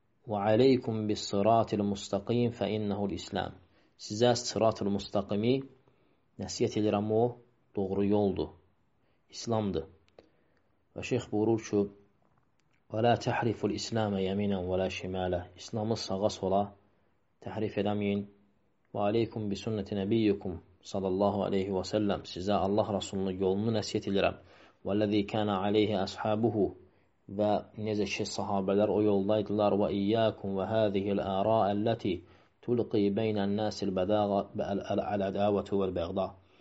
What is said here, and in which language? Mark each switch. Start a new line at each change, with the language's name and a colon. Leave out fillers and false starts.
Arabic: Və aleykum bis sıratil müstəqim fə innəhul İslam.
Azerbaijani: Sizə sıratil müstəqimi nəsiyyət edirəm, o doğru yoldur, İslamdır. Və şeyx buyurur ki,
Arabic: وَلَا تَحْرِفُ الْإِسْلَامَ يَمِنًا وَلَا شِمَالًا.
Azerbaijani: İslamı sağa sola təhrif edəməyin.
Arabic: وَعَلَيْكُمْ بِسُنَّةِ نَبِيِّكُمْ صَلَى اللَّهُ عَلَيْهِ وَسَلَّمْ.
Azerbaijani: Sizə Allah Rasulunun yolunu nəsiyyət edirəm.
Arabic: وَالَّذِي كَانَ عَلَيْهِ أَصْحَابُهُ.
Azerbaijani: Və necə ki, sahabələr o yoldaydılar.
Arabic: وَإِيَّاكُمْ وَهَذِهِ الْآرَاءَ الَّتِي تُلْقِي بَيْنَ النَّاسِ الْبَدَاغَةَ الْعَدَاوَةُ وَالْبَغْضَاءَ.